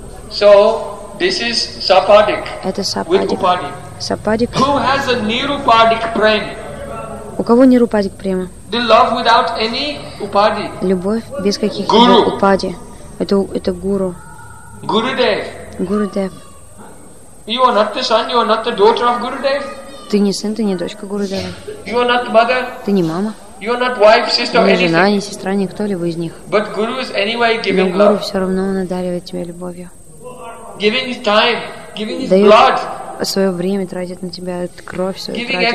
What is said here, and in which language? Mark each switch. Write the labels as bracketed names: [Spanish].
[English] So, this is sapadik. [Russian] Это сападик. Сападик. [English] Who has a nirupadik prem? [Russian] У кого нирупадик према? [English] The love without any upadi. [Russian] Любовь без каких-либо упади. Это гуру. [English] Gurudev. You are not the son, you are not the daughter of Gurudev. [Russian] Ты не сын, ты не дочка Гурудева. [English] You are not mother. [Russian] Ты не мама. [English] You are not wife, sister, [Russian] не жена, не сестра, не кто-либо из них. [English] But Guru is anyway giving love. [Russian] Но Гуру все равно надаривает тебя любовью. [English] Giving his time, giving his blood. [Russian] Свое время тратит на тебя, кровь свою тратит